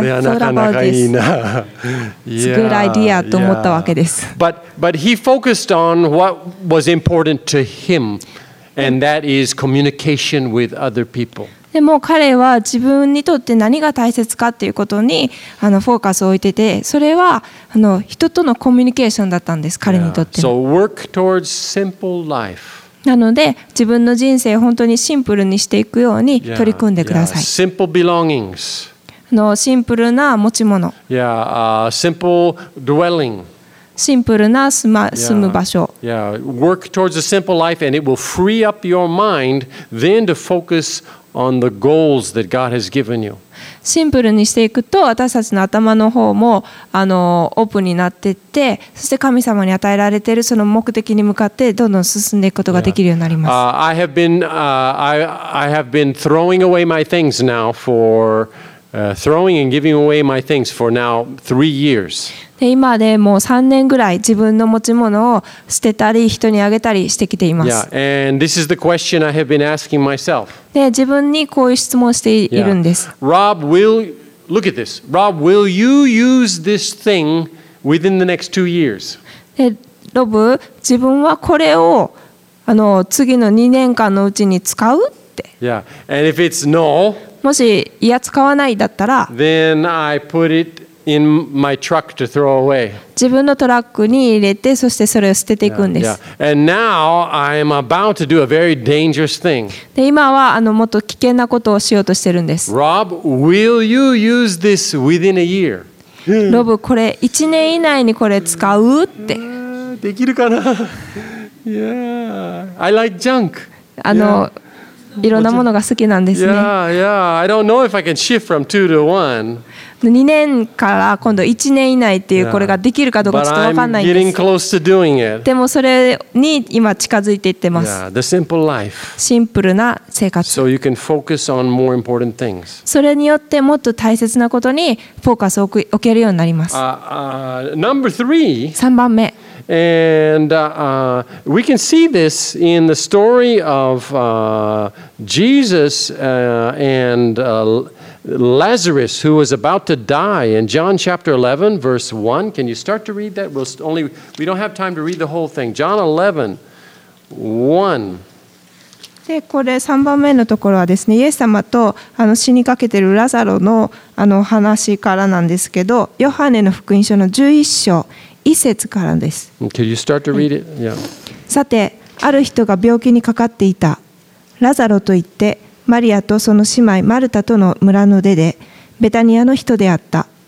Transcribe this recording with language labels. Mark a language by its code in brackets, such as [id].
[ja] これはなかなかいいな。 [en] It's a good idea [ja] と思ったわけです。 [en] But he focused on what was important to him. And that is communication with other people. [ja] でも彼は自分にとって何が大切かということにフォーカスを置いてて、それは人とのコミュニケーションだったんです、彼にとっても。 [en] So work towards simple life. [ja] なので自分の人生を本当にシンプルにしていくように取り組んでください。 [en] Yeah, yeah. Simple belongings. [ja] シンプルな持ち物。 [en] Yeah, simple dwelling. [ja] シンプルな住む場所。 [en] Yeah, work towards a simple life and it will free up your mind then to focus on the goals that God has given you. [ja] シンプルにしていくと私たちの頭の方もオープンになっていって、そして神様に与えられているその目的に向かってどんどん進んでいくことができるようになります。 [en] I have been throwing away my things now for throwing and giving away my things for now 3 years. [ja] で今でもう3年ぐらい自分の持ち物を捨てたり人にあげたりしてきています。 [en] Yeah, and this is the question I have been asking myself. [ja] で自分にこういう質問しているんです。 [en] Yeah. Rob, will look at this. Rob, will you use this thing within the next 2 years? [ja] で、ロブ、自分はこれを次の2年間のうちに使うって。 [en] Yeah, and if it's no, [ja] もしいや使わないだったら、 [en] then I put it. In my truck to throw away. [ja] 自分のトラックに入れて、そしてそれを捨てていくんです。 [en] Yeah, yeah. And now I am about to do a very dangerous thing. [ja] で、今はもっと危険なことをしようとしてるんです。 [en] Rob, will you use this within a year? [ja] ロブ、これ1年以内にこれ使うって。できるかな? [en] Yeah. I like junk. Yeah. [ja] いろんなものが好きなんですね。 [en] Yeah, I don't know if I can shift from two to one. [ja] 2年から今度1年以内っていうこれができるかどうかちょっと分かんないんです。 [en] But I'm getting close to doing it. [ja] でもそれに今近づいていってます。 [en] Yeah, the simple life. [ja] シンプルな生活。 [en] So you can focus on more important things. [ja] それによってもっと大切なことにフォーカスを置けるようになります。 [en] Number three. [ja] 3番目。 [en] And we can see this in the story of Jesus and Lazarus, who was about to die in John chapter 11, verse 1. Can you start to read that? We don't have time to read the whole thing. John 11, 1. [ja] でこれ3番目のところはですね、イエス様とあの死にかけているラザロの、あの話からなんですけど、ヨハネの福音書の11章1節からです。 [en] Can you start to read it? Yeah. [ja] さて、ある人が病気にかかっていた。ラザロといってマリアとその姉妹マルタとの村の出でベタニアの人であった。